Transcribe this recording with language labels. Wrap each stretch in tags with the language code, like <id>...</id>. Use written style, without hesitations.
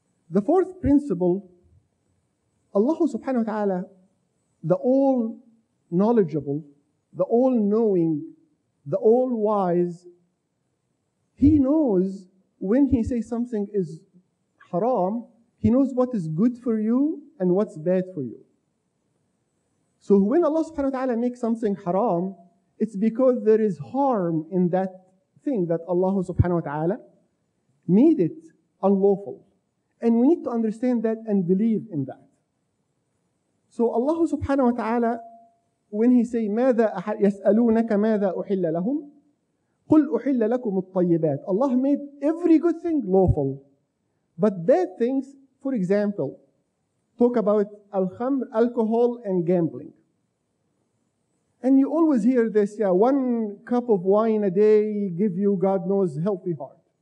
<en>The fourth principle, Allah subhanahu wa ta'ala, the all knowledgeable, the all knowing, the all wise, He knows when He says something is haram, He knows what is good for you and what's bad for you. So when Allah subhanahu wa ta'ala makes something haram, it's because there is harm in that thing that Allah subhanahu wa ta'ala made it unlawful. And we need to understand that and believe in that. So Allah subhanahu wa ta'ala, when He say,</en> <ar>مَاذَا يَسْأَلُونَكَ مَاذَا أُحِلَّ لَهُمْ قُلْ أُحِلَّ لَكُمُ الطَّيِّبَاتِ.</ar> <en>Allah made every good thing lawful. But bad things, for example, talk about al-khamr, alcohol and gambling. And you always hear this, yeah, one cup of wine a day give you, God knows, healthy heart.</en>